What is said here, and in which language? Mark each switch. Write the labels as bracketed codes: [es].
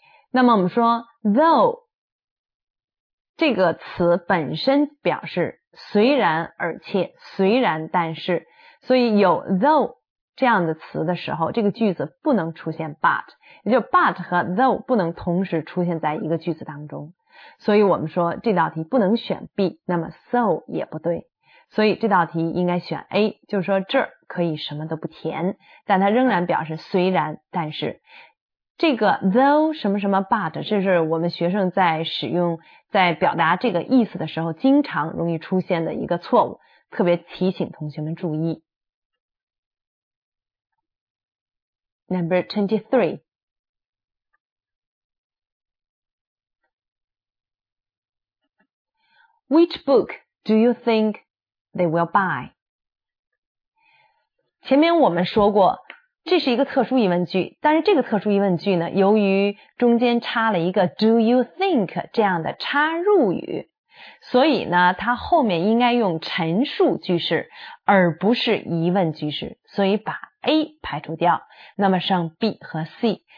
[zh] 那么我们说 though 这个词本身表示虽然而且，虽然但是，所以有 though 这样的词的时候，这个句子不能出现 but， 也就 but 和 though 不能同时出现在一个句子当中，所以我们说这道题不能选 B， 那么 so 也不对，所以这道题应该选 A， 就是说这可以什么都不填，但它仍然表示虽然但是。这个 though 什么什么 but， 这是我们学生在使用在表达这个意思的时候经常容易出现的一个错误，特别提醒同学们注意。 [en] Number 23，Which book do you think they will buy? [zh] 前面我们说过，这是一个特殊疑问句，但是这个特殊疑问句呢，由于中间插了一个 [en] do you think [zh] 这样的插入语，所以呢，它后面应该用陈述句式，而不是疑问句式，所以把 A 排除掉，那么剩 B 和 C。